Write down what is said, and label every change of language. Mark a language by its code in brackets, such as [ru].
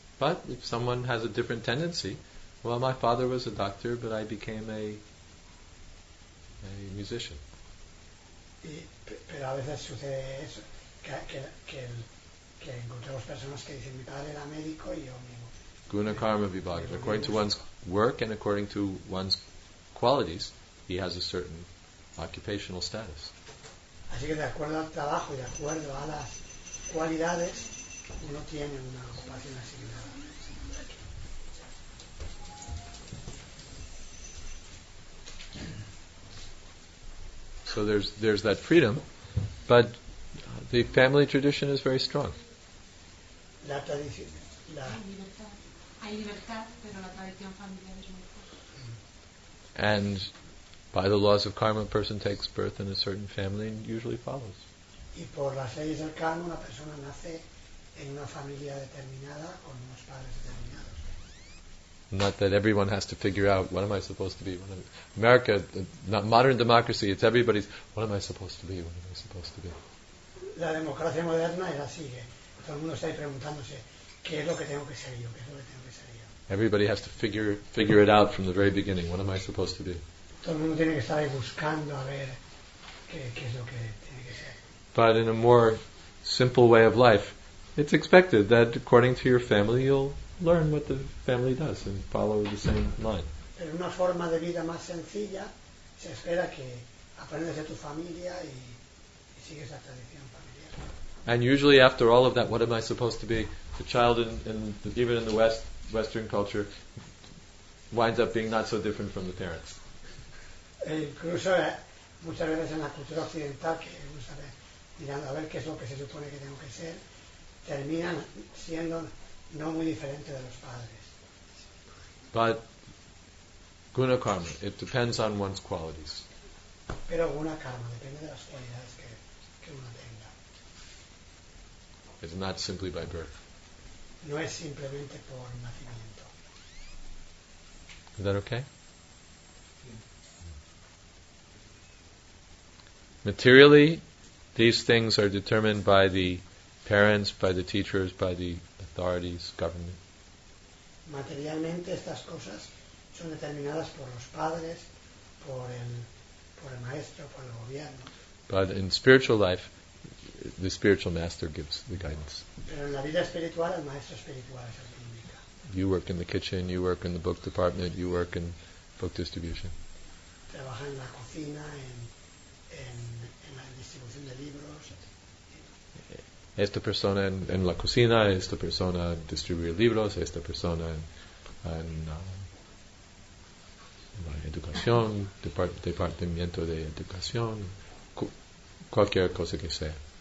[en] But if someone has a different tendency, well, my father was a doctor, but I became a musician. [es] Pero a veces sucede eso que encontramos personas que dicen mi padre era médico y yo mismo. [en] Guna karma vibhaga. According to one's work and according to one's qualities, he has a certain occupational status. [es] Así que de acuerdo al trabajo y de acuerdo a las cualidades, uno tiene una ocupación asignada. [en] So there's that freedom, but the family tradition is very strong. [es] La tradición, hay libertad, pero la tradición familiar es muy fuerte. [en] And by the laws of karma, a person takes birth in a certain family and usually follows. [es] Y por las leyes del karma, una persona nace en una familia determinada con unos padres determinados. [en] Not that everyone has to figure out what am I supposed to be. America, not modern democracy. It's everybody's. What am I supposed to be? What am I supposed to be? [es] La democracia moderna es así. Todo el mundo está preguntándose qué es lo que tengo que ser yo. [en] Everybody has to figure it out from the very beginning. What am I supposed to be? [es] Todo el mundo tiene que estar buscando a ver qué es lo que tiene que ser. [en] But in a more simple way of life, it's expected that according to your family, you'll learn what the family does and follow the same line. [es] Pero una forma de vida más sencilla se espera que aprendas de tu familia y sigues la tradición familiar. [en] And usually after all of that, what am I supposed to be? The child even in the Western culture winds up being not so different from the parents. [es] Incluso muchas veces en la cultura occidental que mirando a ver qué es lo que se supone que tengo que ser terminan siendo no muy diferente de los padres. [en] But guna karma, it depends on one's qualities. [es] Pero guna karma depende de las cualidades que uno tenga. [en] It's not simply by birth. [es] No es simplemente por nacimiento. [en] Is that okay? Materially, these things are determined by the parents, by the teachers, by the authorities, government. [es] Materialmente estas cosas son determinadas por los padres, por el maestro, por el gobierno. [en] But in spiritual life, the spiritual master gives the guidance. [es] Pero en la vida espiritual, el maestro espiritual es el que indica. [en] You work in the kitchen, you work in the book department, you work in book distribution. [es] Trabaja en la cocina, en la distribución de libros. Esta persona en la cocina, esta persona distribuye libros, esta persona en la educación, departamento de educación, cualquier cosa que sea.